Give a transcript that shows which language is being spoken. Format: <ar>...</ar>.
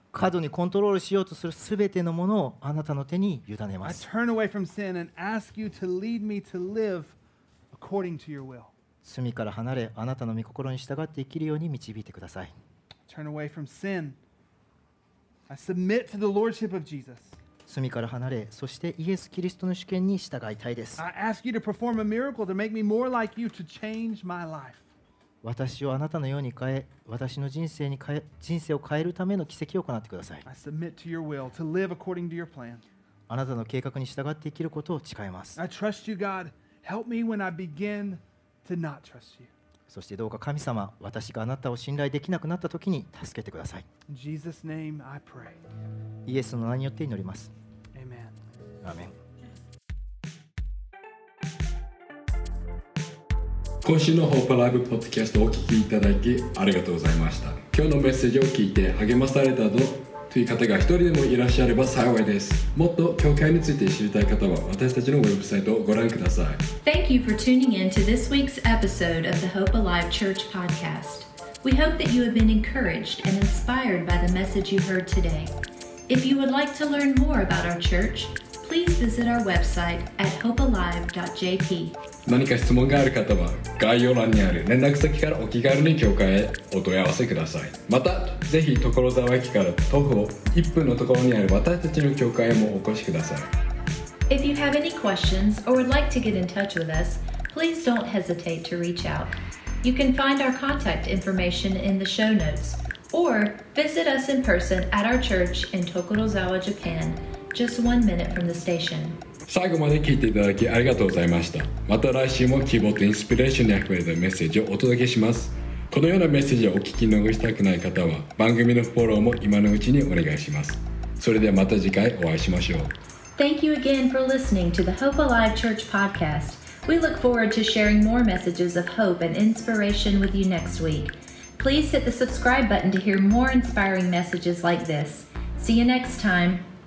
<ja>度にコントロールしようとするすべてのものをあなたの手に委ねます。</ja> <en>I turn away from sin and ask you to lead me to live according to your will.</en> <ja>罪から離れあなたの御心に従って生きるように導いてください。</ja> <en>I turn away from sin. I submit to the lordship of Jesus.</en> <ja>罪から離れ、そしてイエス・キリストの主権に従いたいです。</ja> <en>I ask you to perform a miracle to make me more like you to change my life.</en> <ja>私をあなたのように変え、私の人生に変え、人生を変えるための奇跡を行ってください。</ja> <en>I submit to your will to live according to your plan.</en> <ja>あなたの計画に従って生きることを誓います。</ja> <en>I trust you, God. Help me when I begin to not trust you.</en> <ja>そしてどうか神様、私があなたを信頼できなくなった時に助けてください。</ja> <en>In Jesus' name, I pray.</en> <ja>イエスの名によって祈ります。</ja> <en>Amen.</en> <ja>アーメン。今週のホープライブポッドキャストをお聞きいただきありがとうございました。今日のメッセージを聞いて励まされたぞという方が一人でもいらっしゃれば幸いです。もっと教会について知りたい方は私たちのウェブサイトをご覧ください。</ja> <en>Thank you for tuning in to this week's episode of the Hope Alive Church Podcast. We hope that you have been encouraged and inspired by the message you heard today. If you would like to learn more about our church, please visit our website at hopealive.jp.</en> <ja>何か質問がある方は概要欄にある連絡先からお気軽に教会へお問い合わせください。またぜひ所沢駅から徒歩1分のところにある私たちの教会へもお越しください。</ja> <en>If you have any questions or would like to get in touch with us, please don't hesitate to reach out. You can find our contact information in the show notes or visit us in person at our church in Tokorozawa, Japan, just 1 minute from the station.</en> <ja>最後まで聞いていただきありがとうございました。また来週も希望とインスピレーションにあふれたメッセージをお届けします。このようなメッセージをお聞き逃したくない方は番組のフォローも今のうちにお願いします。それではまた次回お会いしましょう。</ja> <en>Thank you again for listening to the Hope Alive Church Podcast. We look forward to sharing more messages of hope and inspiration with you next week. Please hit the subscribe button to hear more inspiring messages like this. See you next time.</en>